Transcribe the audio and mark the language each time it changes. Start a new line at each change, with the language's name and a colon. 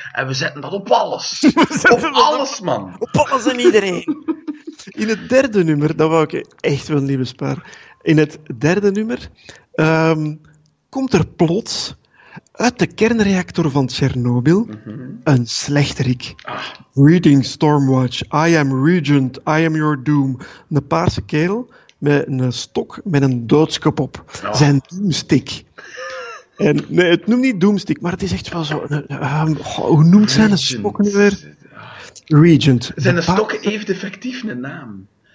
Dutch: En we zetten dat op alles. Op alles, man. Op alles en iedereen. In het derde nummer, dat wou ik echt wel niet besparen. In het derde nummer... komt er plots uit de kernreactor van Tsjernobyl een slechterik.
English: Reading Stormwatch, I am regent, I am your doom.
Dutch: Een paarse kerel met een stok met een doodskop op. Zijn doomstick. En, nee, het noemt niet doomstick, maar het is echt wel zo... hoe noemt zijn een stok nu weer? Regent. Zijn de stok heeft effectief een naam.